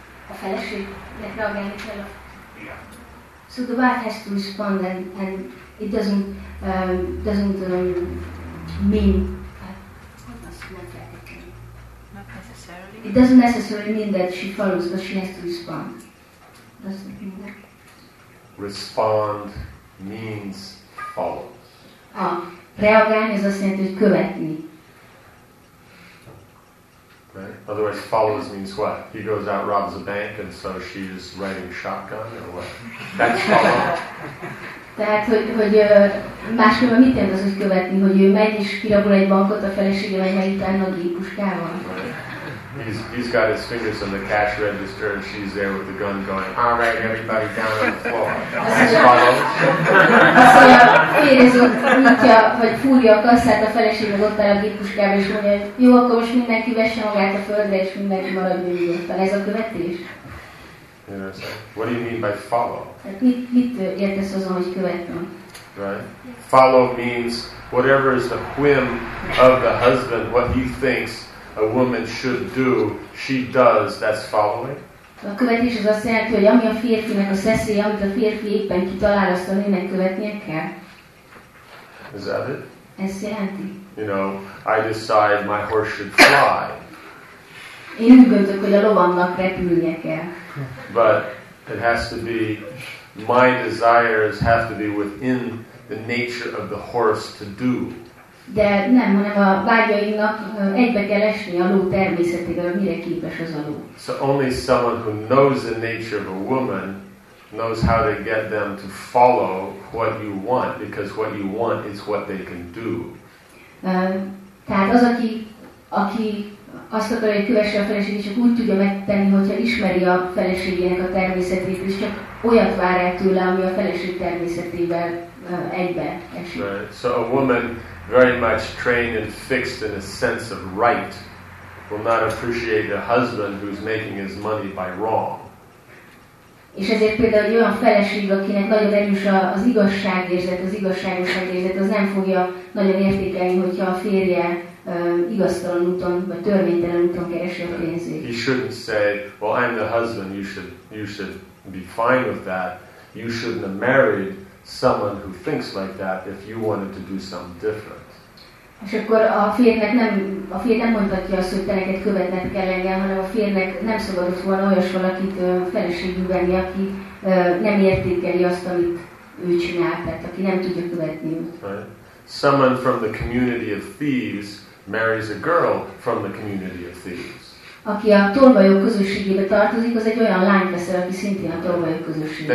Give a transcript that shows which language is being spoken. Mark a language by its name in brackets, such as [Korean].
[Hungarian] A feleségnek reagálni kell a... Igen. [English] So the wife has to respond and it doesn't necessarily mean that she follows, but she has to respond. Doesn't mean that. Respond means follow. [Hungarian] Reagálni az azt jelenti, hogy követni. [English] Right. Otherwise, follows means what? He goes out, robs a bank, and so she's riding shotgun, or what? That's follow. [Hungarian] Tehát, hogy máskülön mit jelent az, hogy követni, hogy ő megy és kirabol egy bankot a felesége, vagy megy utána a gépuskával? [English] He's got his fingers on the cash register, and she's there with the gun going, all right, everybody down on the floor. That's follow. [Hungarian] Azt mondja, férjező nyitja, vagy fúrja a kasszát a felesége, ott áll a gépuskával, és mondja, jó, akkor most mindenki vesse magát a földre, és mindenki maradjon nyugodtan. Ez a követés? [English] What do you mean by follow? [Hungarian] Mit értesz azon, hogy követnem? [English] Right. Follow means whatever is the whim of the husband, what he thinks a woman should do, she does. That's following. [Hungarian] A követés az azt jelenti, hogy ami a férfinek a szeszély, amit a férfi éppen kitalál, azt a nőnek követnie kell. [English] Is that it? [Hungarian] Ez jelenti. [English] You know, I decide my horse should fly. [Hungarian] Én úgy gondolok, hogy a lovamnak repülnie kell. [English] But it has to be, my desires have to be within the nature of the horse to do. [Hungarian] De nem, hanem a vágyainak egybe kell esni a ló természetével, mire képes az a ló. [English] So only someone who knows the nature of a woman knows how to get them to follow what you want, because what you want is what they can do. [Hungarian] Tehát az, aki aki azt akarja, hogy kövesse a feleségét, csak úgy tudja megtenni, hogyha ismeri a feleségének a természetét, és csak olyat vár el tőle, ami a feleség természetével egybe esik. [English] Right. So a woman very much trained and fixed in a sense of right will not appreciate a husband who's making his money by wrong. [Hungarian] És ezért például egy olyan feleség, akinek nagyon erős az igazságérzet, az igazságosságérzet, az nem fogja nagyon értékelni, hogyha a férje igaztalan úton, vagy törvénytelen úton keresi a pénzét. [English] He shouldn't say, well, I'm the husband, you should be fine with that. You shouldn't have married someone who thinks like that if you wanted to do something different. [Hungarian] És akkor a férjnek nem mondhatja azt, hogy te neked követned kell engem, hanem a férjnek nem szabadott volna olyas valakit feleségül venni, aki nem értékeli azt, amit ő csinál, tehát aki nem tudja követni őt. [English] Someone from the community of thieves marries a girl from the community of thieves. [Hungarian] Aki a tolvajok közösségébe tartozik, az egy olyan lány veszel, aki szintén a tolvajok közösségébe